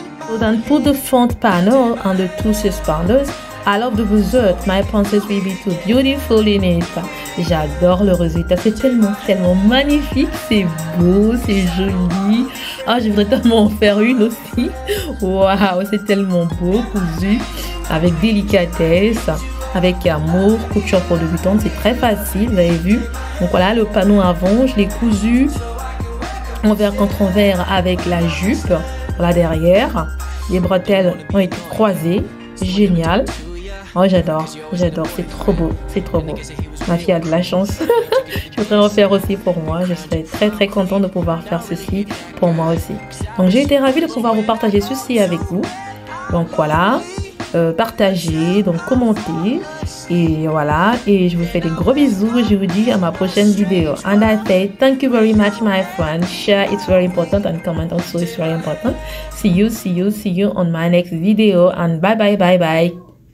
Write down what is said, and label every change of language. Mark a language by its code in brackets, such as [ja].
[en] So then, put the front panel under two suspenders [fr] Alors de vous autres, [en] my princess will be too beautiful in it. [fr] J'adore le résultat, c'est tellement, tellement magnifique, c'est beau, c'est joli. Ah, oh, je voudrais tellement en faire une aussi. Waouh, c'est tellement beau, cousu, avec délicatesse, avec amour, couture pour débutante, c'est très facile, vous avez vu. Donc voilà, le panneau avant, je l'ai cousu envers contre envers avec la jupe, là derrière. Les bretelles ont été croisées, génial. Oh, j'adore, c'est trop beau, c'est trop beau. Ma fille a de la chance. Je voudrais en faire aussi pour moi. Je serais très très contente de pouvoir faire ceci pour moi aussi. Donc j'ai été ravie de pouvoir vous partager ceci avec vous. Donc voilà, partagez, donc commentez. Et voilà, et je vous fais des gros bisous. Je vous dis à ma prochaine vidéo. [en] And I say thank you very much, my friend. Share, it's very important. And comment also, it's very important. See you on my next video. And bye bye.